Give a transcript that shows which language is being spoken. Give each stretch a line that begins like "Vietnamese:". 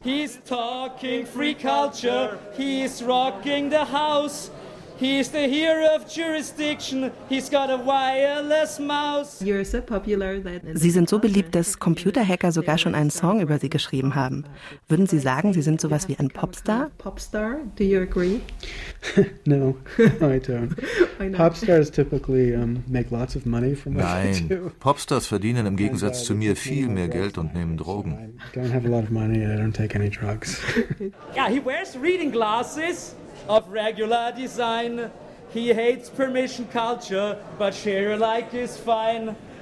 English: He's talking free culture, he's rocking the house. He's the hero of jurisdiction. He's got a wireless mouse. You're so popular that
German: Sie sind so beliebt, dass Computerhacker sogar schon einen Song über Sie geschrieben haben. Würden Sie sagen, Sie sind sowas wie ein Popstar?
English: Popstar, do you agree? No, I don't. Popstars typically make lots of money from what they do.
German: Nein, Popstars verdienen im Gegensatz zu mir viel mehr Geld und nehmen Drogen.
English: I don't have a lot of money and I don't take any drugs. Yeah, he wears reading glasses. Of regular design, he hates permission culture, but share alike is fine.